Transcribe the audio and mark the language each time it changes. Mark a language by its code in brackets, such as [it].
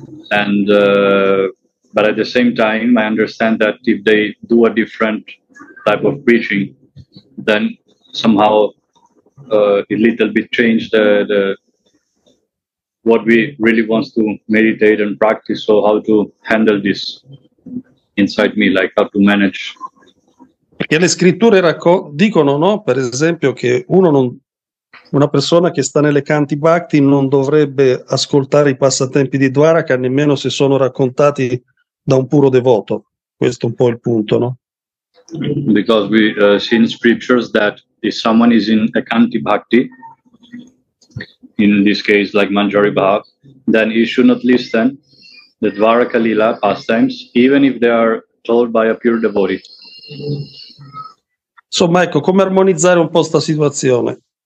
[en] And but at the same time, I understand that if they do a different type of preaching, then somehow a little bit change the what we really want to meditate and practice. So how to handle this inside me, like how to manage. [it] Perché le scritture dicono, no, per esempio, che una persona che sta nelle canti bhakti non dovrebbe ascoltare i passatempi di Dwaraka, nemmeno se sono raccontati da un puro devoto. Questo è un po' il punto, no? [en] Because we see in scriptures that if someone is in a canti bhakti, in this case like Manjari Bhav, then he should not listen the Dwaraka Lila pastimes, even if they are told by a pure devotee. [it] Insomma, ecco, come armonizzare un po' sta situazione.